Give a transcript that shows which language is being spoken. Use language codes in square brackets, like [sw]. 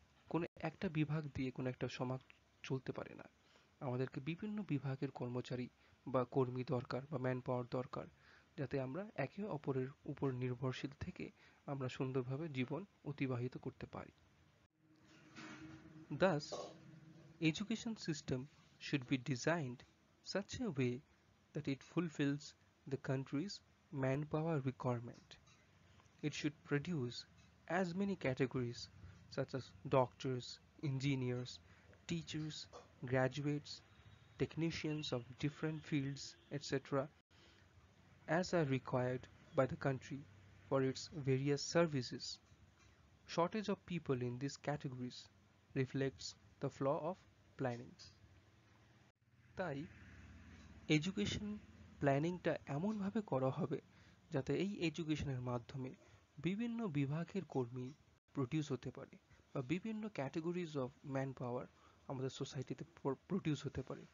[bn] কোনো একটা বিভাগ দিয়ে কোনো একটা সমাজ চলতে পারে না, আমাদেরকে বিভিন্ন বিভাগের কর্মচারী বা কর্মী দরকার, বা ম্যান পাওয়ার দরকার, যাতে আমরা একে অপরের উপর নির্ভরশীল থেকে আমরা সুন্দরভাবে জীবন অতিবাহিত করতে পারি। [en] Thus, education system should be designed such a way that it fulfills the country's manpower requirement. It should produce as many categories such as doctors, engineers, teachers, graduates, technicians of different fields, etc., as are required by the country for its various services. Shortage of people in these categories reflects the flaw of planning. [bn] তাই education প্ল্যানিংটা এমনভাবে করা হবে যাতে এই এডুকেশনের মাধ্যমে বিভিন্ন বিভাগের কর্মী প্রডিউস হতে পারে, বা বিভিন্ন ক্যাটাগরিজ অফ ম্যান পাওয়ার আমাদের সোসাইটিতে প্রডিউস হতে পারে।